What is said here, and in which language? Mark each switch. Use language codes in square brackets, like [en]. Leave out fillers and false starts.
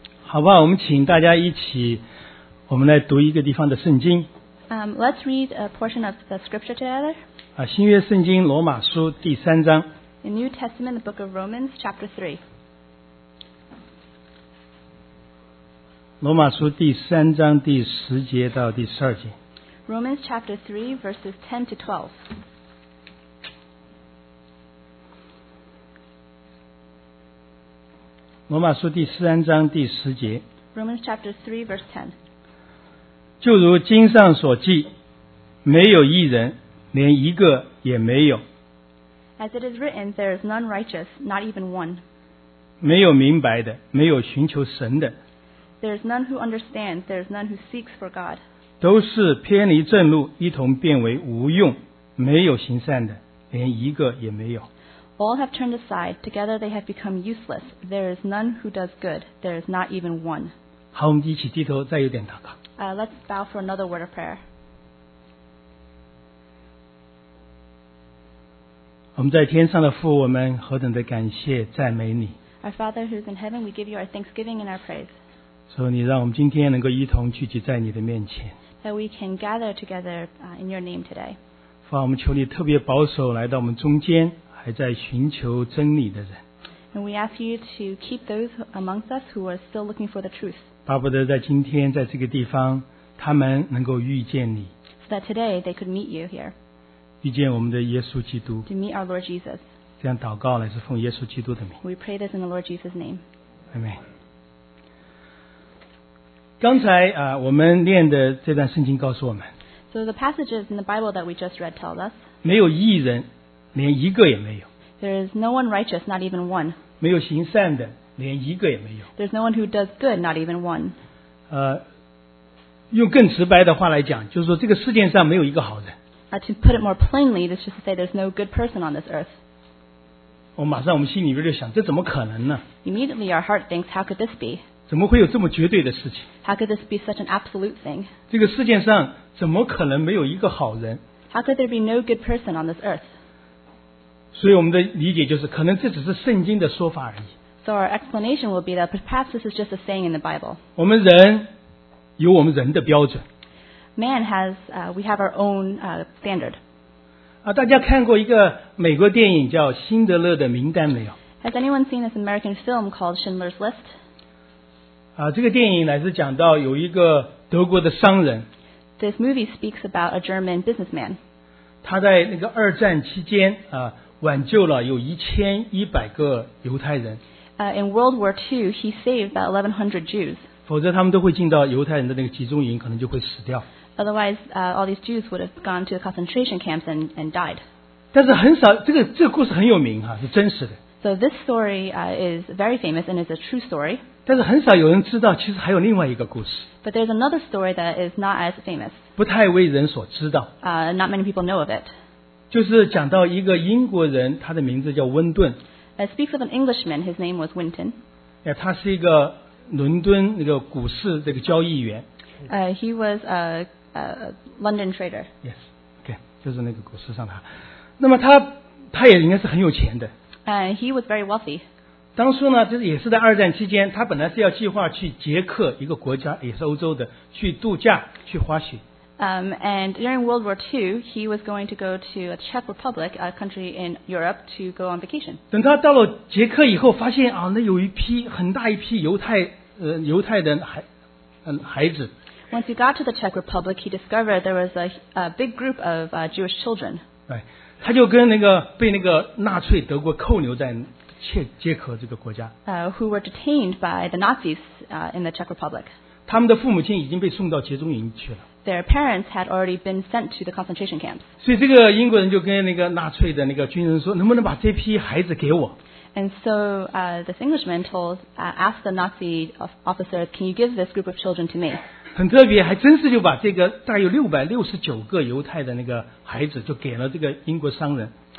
[zh] 好吧，我们请大家一起，我们来读一个地方的圣经。 [en] Let's read a portion of the scripture together. [zh] 啊，新约圣经罗马书第三章。 [en] The New Testament, the book of Romans, chapter 3. [zh] 罗马书第三章第十节到第十二节。 [en] Romans chapter 3, verses 10 to 12. [zh] 罗马书第三章第十节 [en] Romans chapter 3 verse 10 [zh] 就如经上所记没有义人连一个也没有 [en] As it is written, there is none righteous, not even one [zh] 没有明白的没有寻求神的 [en] There is none who understands, there is none who seeks for God [zh] 都是偏离正路一同变为无用没有行善的连一个也没有 [en] All have turned aside. Together they have become useless. There is none who does good. There is not even one. [zh] 好，我们一起低头，再有点祷告。 [en] Let's bow for another word of prayer. [zh] 我们在天上的父，我们何等的感谢赞美你。 [en] Our Father who is in heaven, we give you our thanksgiving and our praise. [zh] 所以你让我们今天能够一同聚集在你的面前。 [en] That we can gather together in your name today. [zh] 父，我们求你特别保守来到我们中间。还在寻求真理的人 [en] And we ask you to keep those amongst us who are still looking for the truth. [zh] 巴不得在今天在这个地方他们能够遇见你 [en] So that today they could meet you here. [zh] 遇见我们的耶稣基督 [en] To meet our Lord Jesus. [zh] 这样祷告来是奉耶稣基督的名 [en] We pray this in the Lord Jesus' name. Amen. [zh] 刚才我们念的这段圣经告诉我们 [en] So the passages in the Bible that we just read tell us [zh] 没有义人连一个也没有。 [en] There is no one righteous, not even one. [zh] 没有行善的，连一个也没有。 [en] There's no one who does good, not even one. [zh] 用更直白的话来讲，就是说这个世界上没有一个好人。 [en] To put it more plainly, that's just to say there's no good person on this earth. [zh] 我们心里边就想，这怎么可能呢 [en] ？Immediately, our heart thinks, how could this be? [zh] 怎么会有这么绝对的事情 [en] ？How could this be such an absolute thing? [zh] 这个世界上怎么可能没有一个好人 [en] ？How could there be no good person on this earth? [zh] 所以我们的理解就是，可能这只是圣经的说法而已。 [en] So our explanation will be that perhaps this is just a saying in the Bible. [zh] 我们人有我们人的标准。 [en] Man has, we have our own standard. [zh] 大家看过一个美国电影叫《辛德勒的名单》没有 [en] ？Has anyone seen this American film called Schindler's List? [zh] 这个电影乃是讲到有一个德国的商人。 [en] This movie speaks about a German businessman. [zh] 他在那个二战期间挽救了有1100个犹太人。 [en] In World War II, he saved about 1100 Jews. [zh] 否则他们都会进到犹太人的那个集中营，可能就会死掉。 [en] Otherwise, all these Jews would have gone to the concentration camps and died. [zh] 但是很少，这个故事很有名是真实的。 [en] So this story is very famous and is a true story. [zh] 但是很少有人知道，其实还有另外一个故事。 [en] But there's another story that is not as famous. [zh] 不太为人所知道。 [en] Not many people know of it. [zh] 就是讲到一个英国人，他的名字叫温顿。 [en] I speak with an Englishman, his name was Winton. [zh] 他是一个伦敦那个股市这个交易员。 [en] He was a London trader. Yes, okay, [zh] 就是那个股市上的。那么他也应该是很有钱的。 [en] He was very wealthy. [zh] 当初呢，就是也是在二战期间，他本来是要计划去捷克一个国家，也是欧洲的，去度假，去滑雪。 [en] And during World War II, he was going to go to a Czech Republic, a country in Europe, to go on vacation. [zh] 等他到了捷克以后，发现那有一批很大一批犹太的孩子。 [en] Once he got to the Czech Republic, he discovered there was a big group of Jewish children. Right. [zh] 他就跟那个被那个纳粹德国扣留在捷克这个国家。 [en] Who were detained by the Nazis in the Czech Republic. [zh] 他们的父母亲已经被送到集中营去了。 [en] Their parents had already been sent to the concentration camps. [zh] 所以这个英国人就跟那个纳粹的那个军人说，能不能把这批孩子给我 [en] ？And so this Englishman asked the Nazi officer, "Can you give this group of children to me?" [zh] 很特别，还真是就把这个大约669个犹太的那个孩子就给了这个英国商人。